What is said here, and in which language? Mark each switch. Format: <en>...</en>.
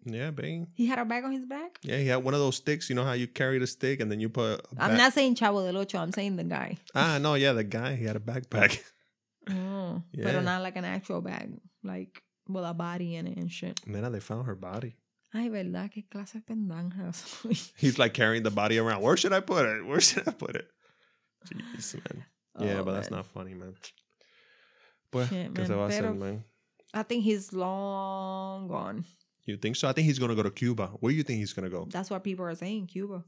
<en>Yeah, bang. He had a bag on his back? Yeah, he had one of those sticks. You know how you carry the stick and then you put... I'm not saying Chavo del Ocho. I'm saying the guy. Ah, no. Yeah, the guy. He had a backpack. Oh, yeah. But not like an actual bag. Like, with a body in it and shit.</en> <es>Mira,</es> <en>they found her body.</en> <es>Ay, verdad, que clase pendanja.</es> <en>He's like carrying the body around. Where should I put it? Where should I put it? Jeez, man. Oh, yeah, but that's not funny, man.</en> <es>Pues,</es> <en>shit, man.</en> <es>Pero,</es> <en>I think he's long gone. You think so? I think he's going to go to Cuba. Where do you think he's going to go? That's what people are saying, Cuba.</en>